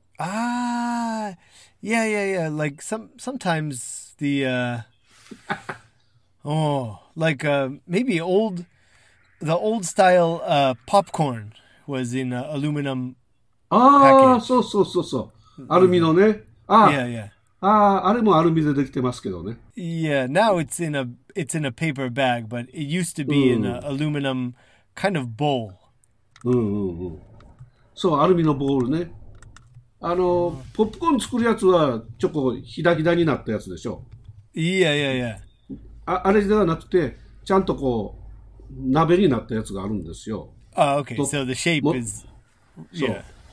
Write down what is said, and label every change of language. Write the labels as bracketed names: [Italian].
[English] Yeah, yeah, yeah. Like sometimes the Oh, like maybe old, the old style popcorn was in aluminum package. Ah, so so so so. Aluminum, ne? Ah, yeah, yeah. [Japanese] Ah, あれもアルミでできてますけどね。 [English] Yeah, now it's in a paper bag, but it used to be in an aluminum kind of bowl. [Japanese] So, アルミのボールね。あの、ポップコーン作るやつはちょっとひだひだになったやつでしょ。 [English] Yeah, yeah, yeah. [Japanese] あれではなくて、ちゃんとこう、鍋になったやつがあるんですよ。 [English] Ah, okay. So the shape is... [Japanese] そう。